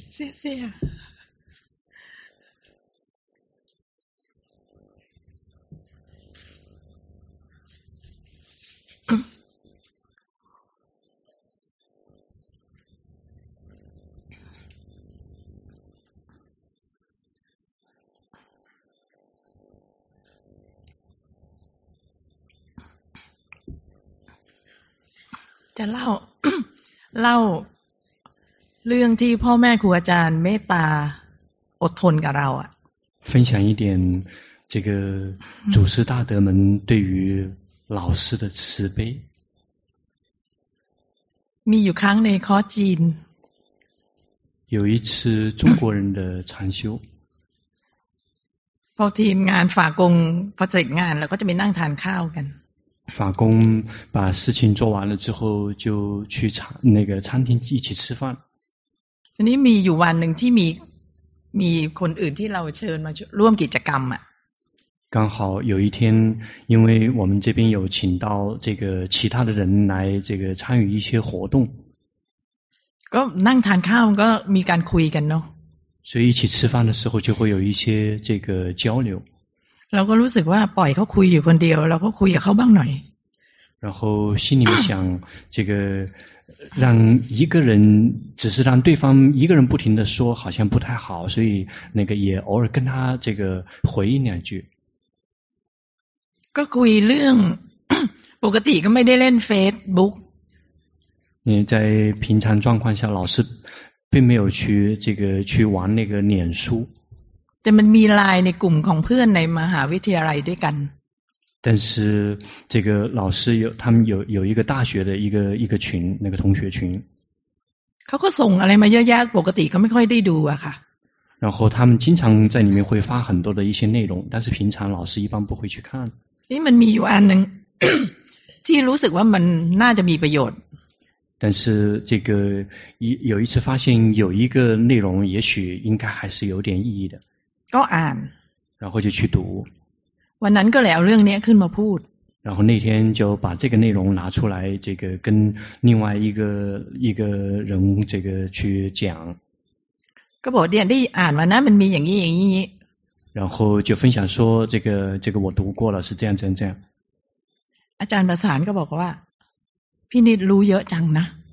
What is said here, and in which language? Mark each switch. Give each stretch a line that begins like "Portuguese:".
Chinese: 谢谢
Thai: จะเล่าเรื่องที่ พ่อแม่ครูอาจารย์เมตตาอดทนกับเราอ่ะ
Chinese: 分享一点这个祖师大德们对于老师的慈悲
Thai: มีอยู่ครั้งในคอร์สจีน
Chinese: 有一次中国人的禅修
Thai: พอทีมงานฝากงพอเสร็จงานแล้วก็จะไปนั่งทานข้าวกัน
Chinese: 法工把事情做完了之后就去那个餐厅一起吃饭
Thai: อันนี้มีอยู่วันหนึ่งที่มีคนอื่นที่เราเชิญมาร่วมกิจกรรมอ่ะ
Chinese: 刚好有一天因为我们这边有请到这个其他的人来这个参与一些活动
Thai: ก็นั่งทานข้าวก็มีการคุยกันเนาะ
Chinese: 所以一起吃饭的时候就会有一些这个交流
Thai: เราก็รู้สึกว่าปล่อยเขาคุยอยู่คนเดียวเราก็คุยกับเขาบ้างหน่อย
Chinese: 然后心里面想这个让一个人只是让对方一个人不停的说好像不太好所以那个也偶尔跟他这个回应两句
Thai: ก็คุยเรื่องปกติก็ไม่ได้เล่นเฟซบุ๊ก
Chinese: 你在平常状况下老师并没有去这个去玩那个脸书。
Thai: จะมันมีไลน์ในกลุ่มของเพื่อนในมหาวิทยาลัยด้วยกัน。
Chinese: 但是这个老师有他们有一个大学的一个群那个同学群。
Thai: เขาก็ส่งอะไรมาเยอะแยะปกติก็ไม่ค่อยได้ดูอะค่ะ。
Chinese: 然后他们经常在里面会发很多的一些内容，但是平常老师一般不会去看。
Thai: นี่มันมีอยู่อันหนึ่ง ที่รู้สึกว่ามันน่าจะมีประโยชน์。
Chinese: 但是这个有一次发现有一个内容也许应该还是有点意义的。
Thai: ก็อ่าน。
Chinese: 然后就去读。
Thai: วันนั้นก็เลยเอาเรื่องนี้ขึ้นมาพูด。
Chinese: 然后那天就把这个内容拿出来这个跟另外一个人这个去讲。
Thai: ก็บอกเดี๋ยวได้อ่านวันนั้นมันมีอย่างนี้อย่างนี้。
Chinese: 然后就分享说这个我读过了是这样这样这样。
Thai: อาจารย์ประสานก็บอกว่าพี่นิดรู้เยอะจังนะ